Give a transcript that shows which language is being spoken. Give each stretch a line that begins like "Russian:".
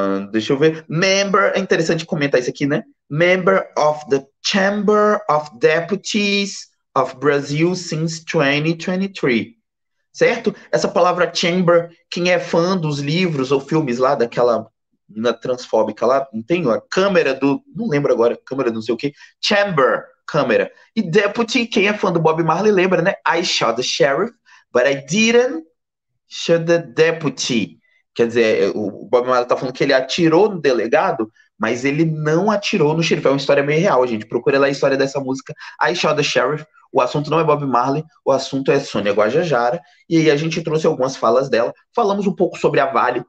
Portuguese: Deixa eu ver. Member, é interessante comentar isso aqui, né?
English: Member of the Chamber of Deputies of Brazil since 2023.
Portuguese: Certo? Essa palavra chamber, quem é fã dos livros ou filmes lá daquela na transfóbica lá, não tem a câmera do, não lembro agora, câmera não sei o quê, chamber, câmera. E deputy, quem é fã do Bob Marley lembra, né?
English: I shot the sheriff, but I didn't shoot the deputy.
Portuguese: Quer dizer, o Bob Marley tá falando que ele atirou no delegado, mas ele não atirou no xerife. É uma história meio real, gente. Procura lá a história dessa música, I Shot the Sheriff. O assunto não é Bob Marley, o assunto é Sônia Guajajara. E aí a gente trouxe algumas falas dela. Falamos um pouco sobre a Vale.